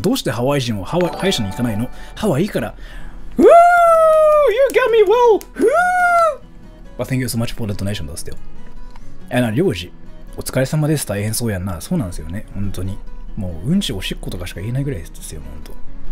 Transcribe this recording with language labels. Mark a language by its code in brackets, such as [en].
[ja] どうしてハワイ人をハワイ歯医者に行かないの? ハワイから。 [en] Woo! You got me well! Woo! But thank you so much for the donation, though, still. [ja] And, リョウジ、お疲れ様です。大変そうやんな。そうなんですよね、本当に。もう、うんちおしっことかしか言えないぐらいですよ、本当。